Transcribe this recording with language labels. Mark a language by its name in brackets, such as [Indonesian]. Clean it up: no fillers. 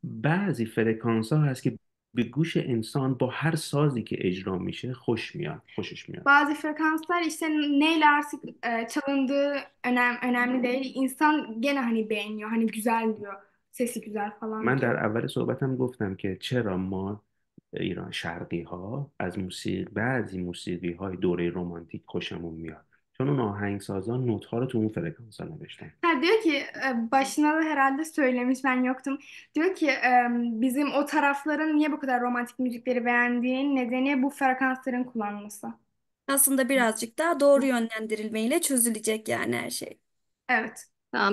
[Persian] بعضی فرکانس ها هست که به گوش انسان با هر سازی که اجرا میشه خوش میاد، خوشش میاد. [Turkish] Bazı frekanslar işte neyle artık çalındığı önemli değil. İnsan gene hani beğeniyor. Hani güzel diyor. Sesi güzel falan [Persian] من [Turkish] diyor. [Persian] در اول صحبتم گفتم که چرا ما ایران شرقی ها از موسیقی، بعضی موسیقی های دوره رومانتیک خوشمون میاد، چون اون آهنگسازان نوت ها رو تو اون فرکانس ها نوشتن. [Turkish] Diyor ki başına da herhalde söylemiş, ben yoktum. Diyor ki bizim o tarafların niye bu kadar romantik müzikleri beğendiğin nedeni bu frekansların kullanılması. Aslında birazcık daha doğru yönlendirilmeyle çözülecek yani her şey. Evet. Tamam.